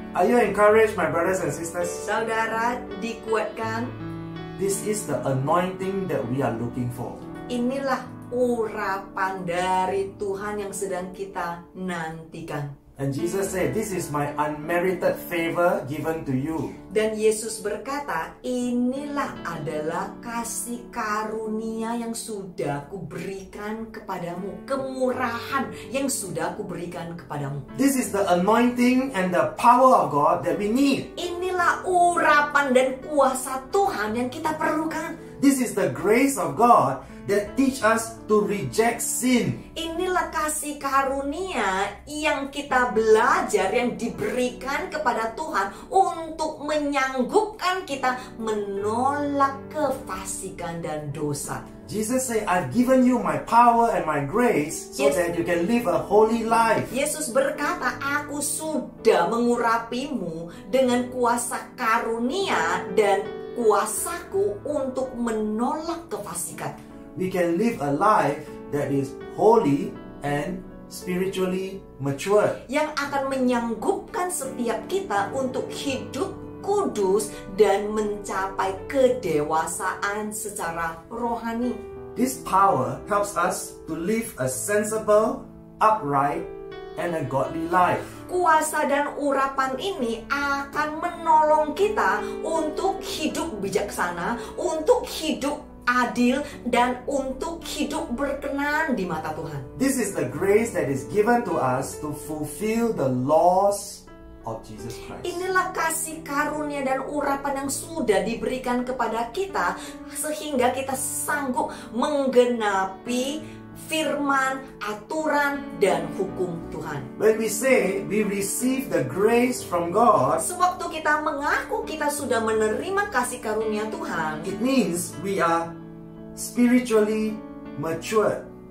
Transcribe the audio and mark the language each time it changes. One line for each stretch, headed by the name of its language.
English: Are you encouraged, my brothers and sisters?
Indonesian: Saudara, dikuatkan.
English: This is the anointing that we are looking for.
Indonesian: Inilah urapan dari Tuhan yang sedang kita nantikan.
English: And Jesus said, this is my unmerited favor given to you.
Indonesian: Dan Yesus berkata, inilah adalah kasih karunia yang sudah kuberikan kepadamu, kemurahan yang sudah kuberikan kepadamu.
English: This is the anointing and the power of God that we need.
Indonesian: Inilah urapan dan kuasa Tuhan yang kita perlukan.
English: This is the grace of God that teach us to reject sin.
Indonesian: Inilah kasih karunia yang kita belajar, yang diberikan kepada Tuhan untuk menyanggupkan kita menolak kefasikan dan dosa.
English: Jesus say, I've given you my power and my grace so yes. that you can live a holy life.
Indonesian: Yesus berkata, aku sudah mengurapimu dengan kuasa karunia dan kuasaku untuk menolak kefasikan.
English: We can live a life that is holy and spiritually mature.
Indonesian: Yang akan menyanggupkan setiap kita untuk hidup kudus dan mencapai kedewasaan secara rohani.
English: This power helps us to live a sensible, upright, and a godly life.
Indonesian: Kuasa dan urapan ini akan menolong kita untuk hidup bijaksana, untuk hidup adil dan untuk hidup berkenan di mata Tuhan.
English: This is the grace that is given to us to fulfill the laws of Jesus Christ.
Indonesian: Inilah kasih karunia dan urapan yang sudah diberikan kepada kita sehingga kita sanggup menggenapi firman, aturan, dan hukum Tuhan.
English: When we say we receive the grace from God,
Indonesian: sewaktu kita mengaku kita sudah menerima kasih karunia Tuhan,
English: it means we are spiritually mature.